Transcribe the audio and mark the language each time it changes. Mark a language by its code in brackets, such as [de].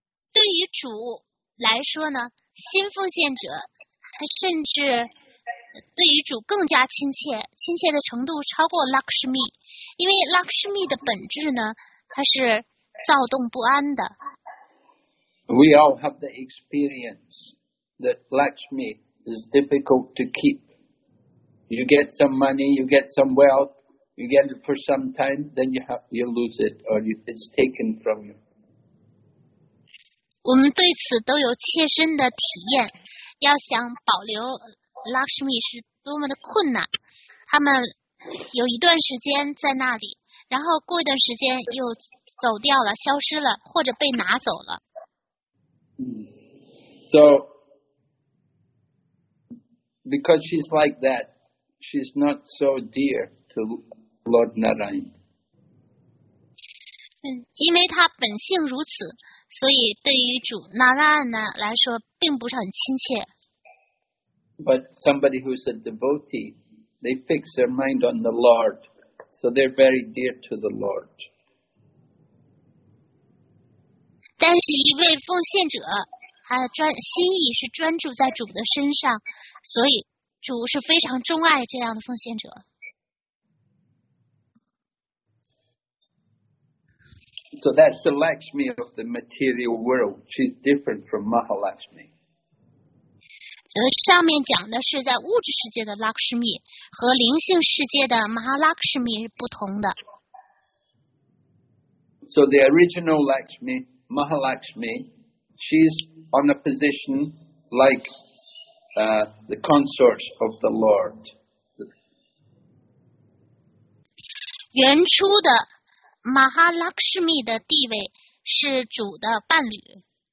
[zh] 对于主来说呢，新奉献者甚至对于主更加亲切，亲切的程度超过 Lakshmi， 因为 Lakshmi 的本质呢，它是躁动不安的。 [en] We all have the experience that Lakshmi is difficult to keep. You get some money, you get some wealth, you get it for some time, then you lose it or it's taken from you. [zh] 我们对此都有切身的体验，要想保留。 Lakshmi 是多么的困难，他们有一段时间在那里，然后过一段时间又走掉了，消失了，或者被拿走了。 [en] So, because she's like that, she's not so dear to Lord Narayana. [zh] 因为她本性如此，所以对于主 Narayana 来说并不是很亲切。 [en] But somebody who's a devotee, they fix their mind on the Lord, so they're very dear to the Lord. [zh] 但是一位奉献者，他的心意是专注在主的身上，所以主是非常钟爱这样的奉献者。 [en] So that's the Lakshmi of the material world. She's different from Mahalakshmi. [zh] 上面讲的是在物质世界的 Lakshmi 和灵性世界的 Mahalakshmi 是不同的。 [en] So the original Lakshmi, Mahalakshmi, she's on a position like the consorts of the Lord. [zh] 原初的马哈拉克什米的地位是主的伴侣。